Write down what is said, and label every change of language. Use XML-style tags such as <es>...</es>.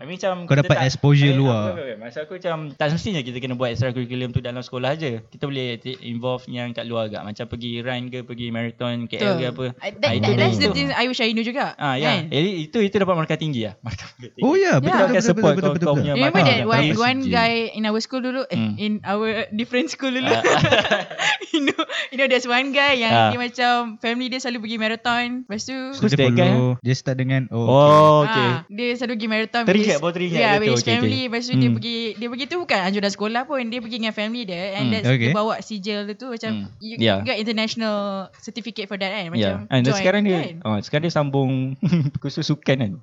<en>I mean macam</en> <ms>kau dapat exposure luar. Masa aku macam tak semestinya kita kena buat extra curriculum tu dalam sekolah aje. Kita boleh involve yang kat luar agak. Macam pergi run ke, pergi marathon KL ke apa.</ms> <en>That's the thing I wish I knew juga.</en> <ms>Itu dapat markah tinggi lah.</ms> <en>Oh yeah,</en> <ms>betul-betul. Kau punya</ms> <en>Remember that one guy in our school dulu, in our different school dulu. You know there's one guy</en> <ms>yang dia macam family dia selalu pergi marathon. Lepas tu dia start dengan dia selalu pergi marathon. Teringat.</ms> <en>Yeah, with his family.</en> <ms>Lepas tu dia pergi tu bukan anjuran sekolah pun. Dia pergi dengan family dia.</ms> <en>And that's</en> <ms>dia bawa sijil tu macam</ms> <en>you got international certificate for that kan.</en> <ms>Macam</ms> <en>and join.</en> <ms>Sekarang dia sekarang dia sambung kursus sukan kan.</ms>